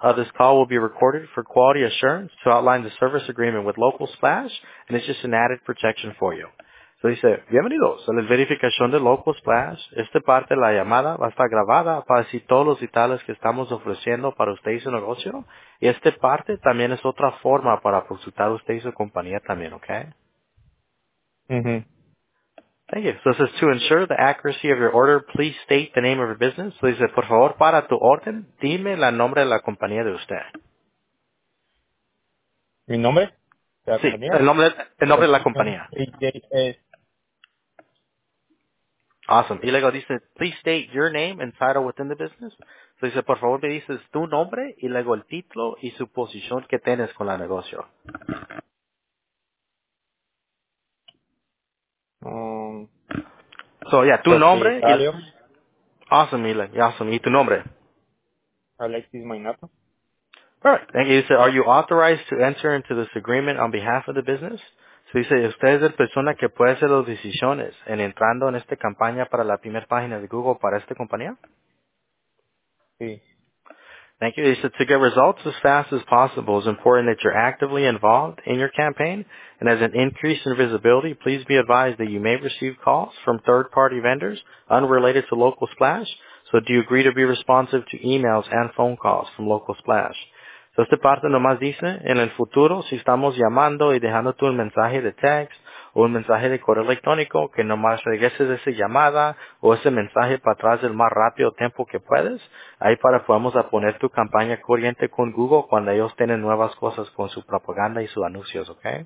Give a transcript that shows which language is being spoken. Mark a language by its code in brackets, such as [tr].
[en] This call will be recorded for quality assurance to outline the service agreement with Local Splash, and it's just an added protection for you. [es] So dice, bienvenidos a la verificación de Local Splash. Esta parte de la llamada va a estar grabada para decir todos los detalles que estamos ofreciendo para usted y su negocio. Y esta parte también es otra forma para consultar usted y su compañía también, ¿ok? [en] Thank you. So it says, to ensure the accuracy of your order, please state the name of your business. [es] So dice, por favor, para tu orden, dime el nombre de la compañía de usted. ¿Mi nombre? Sí, el nombre de la compañía. [en] Awesome. [es] Y luego dice, [en] please state your name and title within the business. [es] So dice, por favor, me dices tu nombre y luego el título y su posición que tienes con la negocio. So, yeah, tu nombre. Awesome. ¿Y tu nombre? Alexis Mainato. [en] Alright, thank you. So, are you authorized to enter into this agreement on behalf of the business? [es] So, dice, usted es la persona que puede hacer las decisiones en entrando en esta campaña para la primera página de Google para esta compañía? Sí. [en] Thank you. So, to get results as fast as possible, it's important that you're actively involved in your campaign. And as an increase in visibility, please be advised that you may receive calls from third-party vendors unrelated to Local Splash. So, do you agree to be responsive to emails and phone calls from Local Splash? [es] Entonces, esta parte nomás dice, en el futuro, si estamos llamando y dejando tú un mensaje de text o un mensaje de correo electrónico, que nomás regreses esa llamada o ese mensaje para atrás el más rápido tiempo que puedes, ahí para podamos a poner tu campaña corriente con Google cuando ellos tienen nuevas cosas con su propaganda y sus anuncios, ¿ok?